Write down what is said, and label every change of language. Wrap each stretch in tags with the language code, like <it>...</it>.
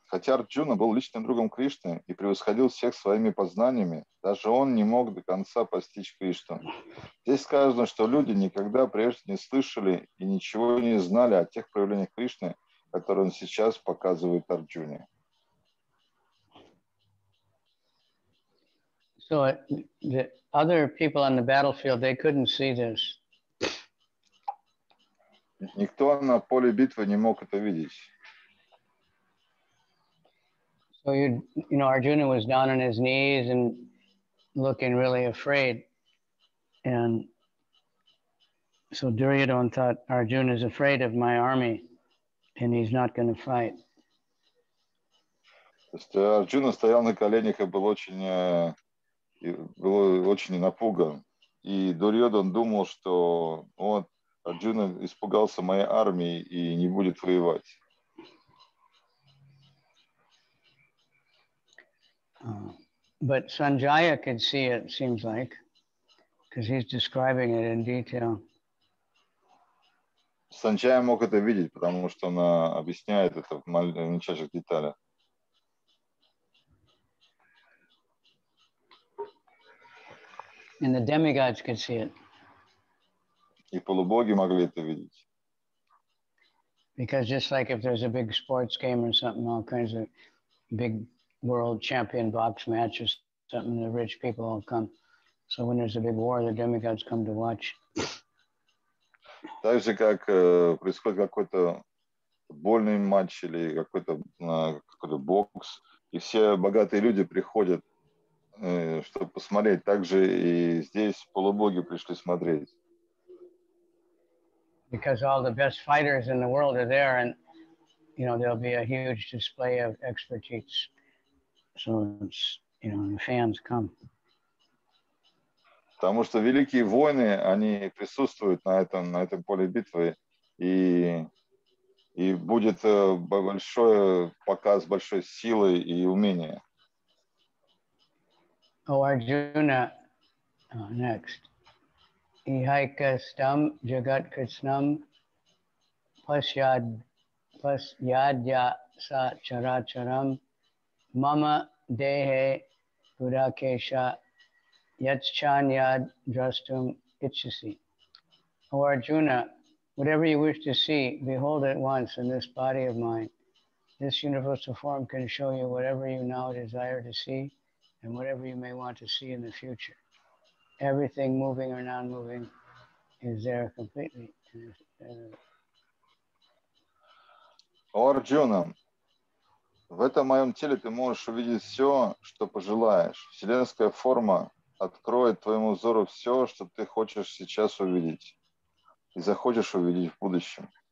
<ru>Хотя Арджуна был личным другом Кришны и превосходил всех своими познаниями, даже он не мог до конца постичь Кришну. Здесь сказано, что люди никогда прежде не слышали и ничего не знали о тех проявлениях Кришны, которые он сейчас показывает Арджуне.</ru> <en>So the other people on the battlefield, they couldn't see this.</en> <ru>Никто на поле битвы не мог это видеть.</ru> <en>So you know, Arjuna was down on his knees and looking really afraid. And so Duryodhana thought, Arjuna is afraid of my army and he's not going to fight.</en> <ru>Arjuna стоял на коленях и был очень напуган. И Дурьодан думал, что вот Арджуна испугался моей армии и не будет воевать.</ru> <en>But Sanjaya could see it, seems like, because he's describing it in detail.</en> <ru>Sanjaya мог это видеть, потому что он объясняет это в мельчайших деталях.</ru> <en>And the demigods could see it.</en> <ru>И полубоги могли это видеть.</ru> <en>Because just like if there's a big sports game or something, all kinds of big world champion box match or something, the rich people all come. So when there's a big war, the demigods come to watch.</en> <ru>Так же, как происходит какой-то футбольный матч или какой-то бокс, и все богатые люди приходят, чтобы посмотреть. Так же и здесь полубоги пришли смотреть.</ru> <en>Because all the best fighters in the world are there, and, you know, there'll be a huge display of expertise. So it's, you know, the fans come.</en> <ru>Потому что великие воины, они присутствуют на этом поле битвы, и будет большой показ большой силы и умения.</ru> <en>Oh, Arjuna, next.</en> <sa>Ihaikastam jagat krishnam pasyadya sa characharam mama dehe purakesha yachanyad drastum ichasi.</sa> <en>O Arjuna, whatever you wish to see, behold at once in this body of mine. This universal form can show you whatever you now desire to see and whatever you may want to see in the future. Everything moving or non-moving is there completely.</en> <ru>O Arjuna, в этом моем теле ты можешь увидеть все, что пожелаешь. Вселенская форма откроет твоему взору все, что ты хочешь сейчас увидеть и захочешь увидеть в будущем.</ru>